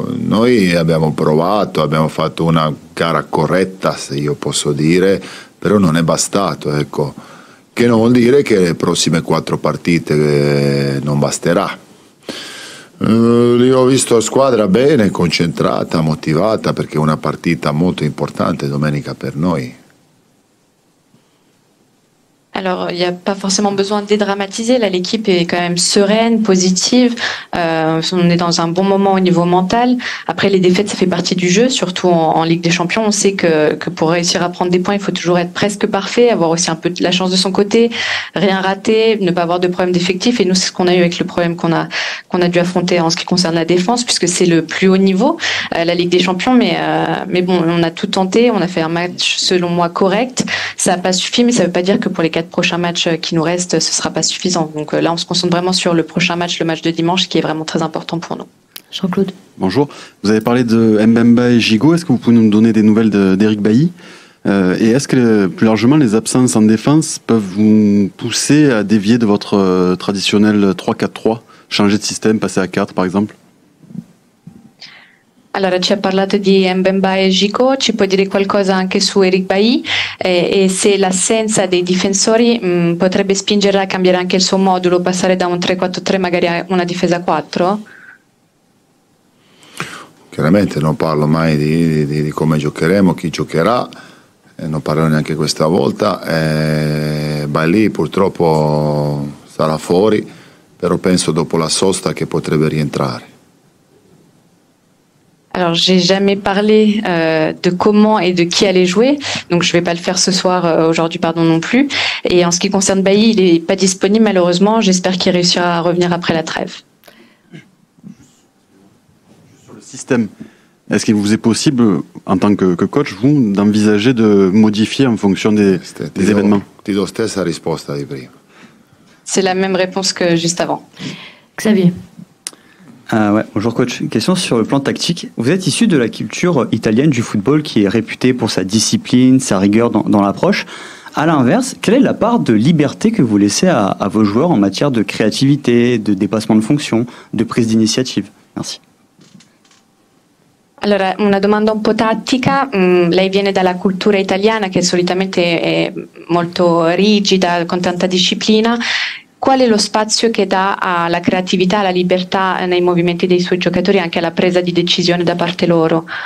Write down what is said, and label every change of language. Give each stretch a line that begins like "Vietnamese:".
Italian: Noi abbiamo provato, abbiamo fatto una gara corretta, se io posso dire, però non è bastato, ecco. Che non vuol dire che le prossime quattro partite non basterà. Io ho visto la squadra bene, concentrata, motivata, perché è una partita molto importante domenica per noi.
French: Alors, il n'y a pas forcément besoin de dédramatiser. Là, l'équipe est quand même sereine, positive. On est dans un bon moment au niveau mental. Après, les défaites, ça fait partie du jeu, surtout en Ligue des Champions. On sait que pour réussir à prendre des points, il faut toujours être presque parfait, avoir aussi un peu de la chance de son côté, rien rater, ne pas avoir de problème d'effectif. Et nous, c'est ce qu'on a eu avec le problème qu'on a dû affronter en ce qui concerne la défense, puisque c'est le plus haut niveau, la Ligue des Champions. Mais bon, on a tout tenté. On a fait un match, selon moi, correct. Ça n'a pas suffi, mais ça ne veut pas dire que pour les quatre prochains matchs qui nous restent, ce ne sera pas suffisant. Donc là, on se concentre vraiment sur le prochain match, le match de dimanche, qui est vraiment très important pour nous. Jean-Claude. Bonjour. Vous avez parlé de Mbemba et Gigo. Est-ce que vous pouvez nous donner des nouvelles d'Eric Bailly? Et est-ce que, plus largement, les absences en défense peuvent vous pousser à dévier de votre traditionnel 3-4-3, changer de système, passer à 4, par exemple?
Italian: Allora, ci ha parlato di Mbemba e Gigo, ci puoi dire qualcosa anche su Eric Bailly e se l'assenza dei difensori potrebbe spingere a cambiare anche il suo modulo, passare da un 3-4-3 magari a una difesa 4? Chiaramente non parlo mai di come giocheremo, chi giocherà, non parlerò neanche questa volta. Bailly purtroppo sarà fuori, però penso dopo la sosta che potrebbe rientrare.
French: Alors, j'ai jamais parlé de comment et de qui allait jouer, donc je vais pas le faire ce soir, aujourd'hui, pardon, non plus. Et en ce qui concerne Bailly, il est pas disponible, malheureusement. J'espère qu'il réussira à revenir après la trêve. Sur le système, est-ce qu'il vous est possible, en tant que coach, vous, d'envisager de modifier en fonction des événements?
Italian: Tido stessa risposta di prima.
French: C'est la même réponse que juste avant. Xavier. Ouais. Bonjour coach, question sur le plan tactique. Vous êtes issu de la culture italienne du football qui est réputée pour sa discipline, sa rigueur dans l'approche. À l'inverse, quelle est la part de liberté que vous laissez à vos joueurs en matière de créativité, de dépassement de fonction, de prise d'initiative? Merci.
Italian: Allora, una domanda un po' tattica. Lei viene dalla cultura italiana che solitamente è molto rigida, con tanta disciplina. Qual è lo spazio che dà alla creatività, alla libertà nei movimenti dei suoi giocatori, anche alla presa di decisione da parte loro?